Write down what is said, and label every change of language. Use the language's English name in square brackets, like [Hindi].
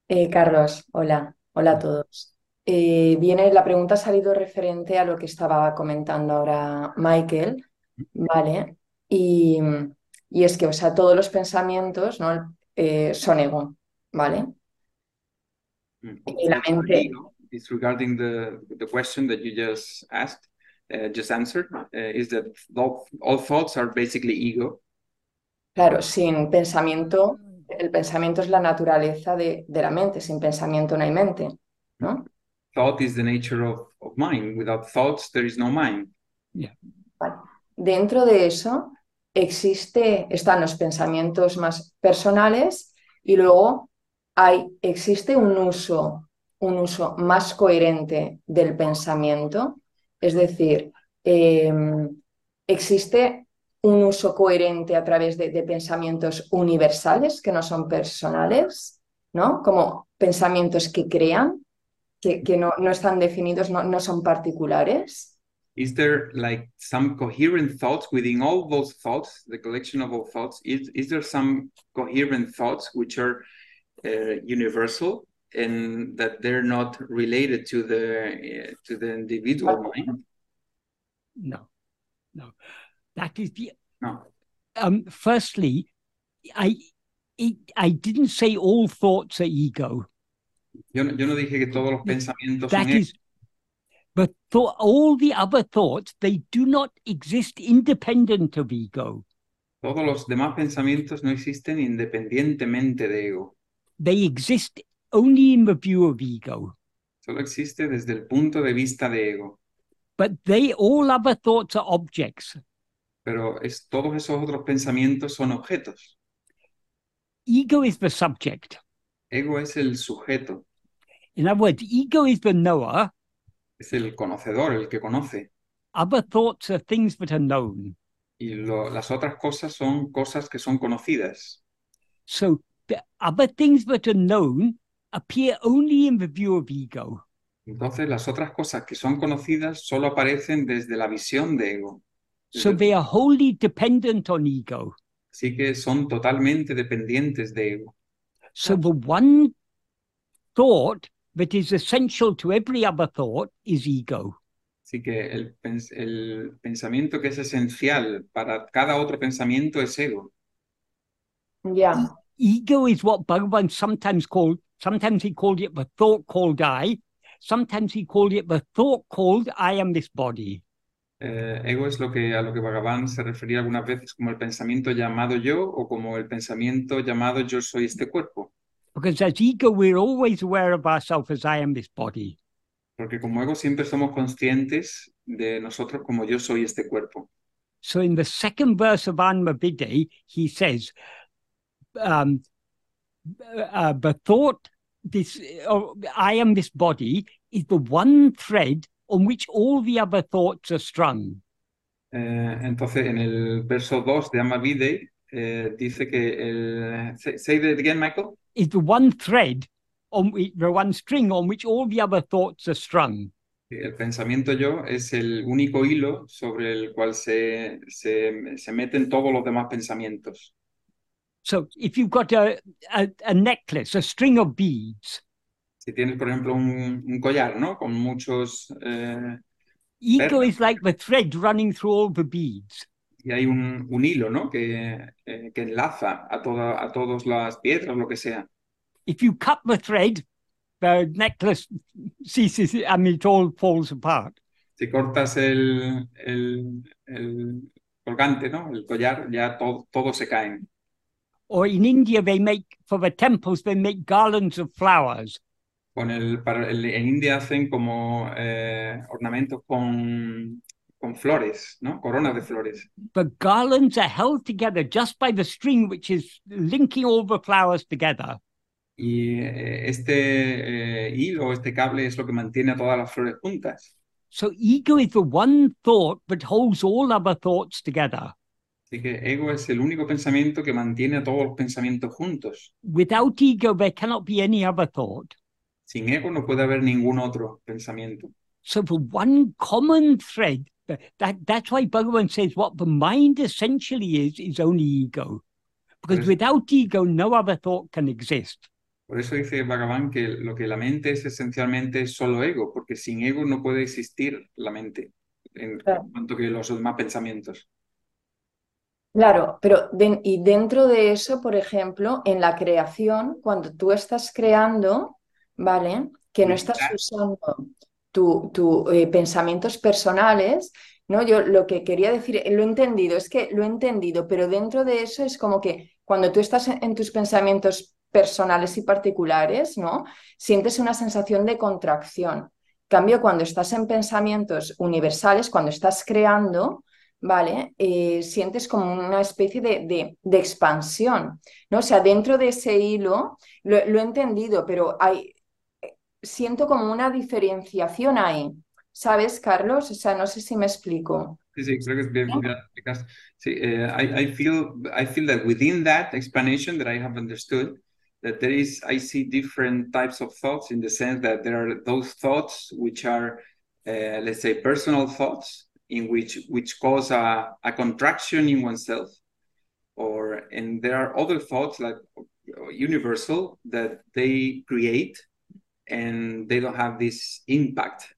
[Spanish] Carlos, hola. Hola a todos. Viene la pregunta, ha salido referente a lo que estaba comentando ahora Michael, ¿vale? Y es que, o sea, todos los pensamientos, ¿no? Son ego, ¿vale? Y la mente. [English] It's regarding the question that you just asked, just answered, is that all thoughts are basically ego. [Spanish] Claro, sin pensamiento, el pensamiento es la naturaleza de la mente, sin pensamiento no hay mente, ¿no? [English] Thought is the nature of mind. Without thoughts, there is no mind. Yeah. [Spanish] Vale. Dentro de eso están los pensamientos más personales y luego existe un uso más coherente del pensamiento. Es decir, existe un uso coherente a través de pensamientos universales que no son personales, ¿no? Como pensamientos que crean, que no están definidos, no son particulares. [English] Is there like some coherent thoughts within all those thoughts, the collection of all thoughts? Is there some coherent thoughts which are universal and that they're not related to the individual mind? No. That is the... No. Firstly, I didn't say all thoughts are ego. [Spanish] Yo no dije que todos los pensamientos [English] that [Spanish] son [English] is, but all the other thoughts, they do not exist independent of ego. [Spanish] Todos los demás pensamientos no existen independientemente de ego. [English] They exist only in the view of ego. [Spanish] Solo existe desde el punto de vista de ego. [English] But all other thoughts are objects. [Spanish] Pero todos esos otros pensamientos son objetos. [English] Ego is the subject. [Spanish] Ego es el sujeto. [English] In other words, ego is the knower. [Spanish] Es el conocedor, el que conoce. [English] Other thoughts are things that are known. [Spanish] Y las otras cosas son cosas que son conocidas. [English] So, the other things that are known appear only in the view of ego. [Spanish] Entonces, las otras cosas que son conocidas solo aparecen desde la visión de ego. [English] So, they are wholly dependent on ego. [Spanish] Así que son totalmente dependientes de ego. [English] So, the one thought that is essential to every other thought is ego. [Spanish] Así que el pensamiento que es esencial para cada otro pensamiento es ego. [English] Yeah. Ego is what Bhagavan sometimes he called it the thought called I, sometimes he called it the thought called I am this body. [Spanish] Ego es a lo que Bhagavan se refería algunas veces como el pensamiento llamado yo o como el pensamiento llamado yo soy este cuerpo. [English] Because as ego, we're always aware of ourselves as I am this body. [Spanish] Porque como ego siempre somos conscientes de nosotros como yo soy este cuerpo. [English] So in the second verse of Anmavide, he says, the thought, I am this body, is the one thread on which all the other thoughts are strung. [Spanish] Entonces, en el verso 2 de Anmavide, dice que el... [English] Say that again, Michael. Is the one thread, the one string on which all the other thoughts are strung. [Spanish] El pensamiento yo es el único hilo sobre el cual se meten todos los demás pensamientos. [English] So, if you've got a necklace, a string of beads. [Spanish] Si tienes, por ejemplo, un collar, ¿no? Con muchos... ego perlas. [English] Is like the thread running through all the beads. [Spanish] Y hay un hilo, ¿no? Que enlaza a todas las piedras, lo que sea. [English] if you cut the thread, the necklace ceases and it all falls apart. [Spanish] Si cortas el colgante, ¿no? El collar, ya todo se cae. [English] Or in India, they make, for the temples, they make garlands of flowers. [Spanish] En India hacen como ornamentos con flores, ¿no? Coronas de flores. [English] The garlands are held together just by the string which is linking all the flowers together. [Spanish] Y este hilo, este cable, es lo que mantiene a todas las flores juntas. [English] So ego is the one thought that holds all other thoughts together. [Spanish] Así que ego es el único pensamiento que mantiene a todos los pensamientos juntos. [English] Without ego, there cannot be any other thought. [Spanish] Sin ego no puede haber ningún otro pensamiento. [English] So the one common thread, that's why Bhagavan says what the mind essentially is only ego. Because without ego, no other thought can exist. [Spanish] Por eso dice Bhagavan que lo que la mente es esencialmente es solo ego, porque sin ego no puede existir la mente, en cuanto que los demás pensamientos. Claro, pero y dentro de eso, por ejemplo, en la creación, cuando tú estás creando, ¿vale? Que no estás usando tus pensamientos personales, ¿no? Yo lo que quería decir, lo he entendido, pero dentro de eso es como que cuando tú estás en tus pensamientos personales y particulares, ¿no? Sientes una sensación de contracción. En cambio, cuando estás en pensamientos universales, cuando estás creando, ¿vale? Sientes como una especie de expansión, ¿no? O sea, dentro de ese hilo, lo he entendido, pero siento como una diferenciación ahí, ¿sabes, Carlos? O sea, no sé si me explico. Sí, creo que es bien, [English] because, [Spanish] sí, [English] I feel that within that explanation that I have understood, that there is, I see different types of thoughts in the sense that there are those thoughts which are, let's say, personal thoughts, in which cause a contraction in oneself, and there are other thoughts like universal that they create, and they don't have this impact.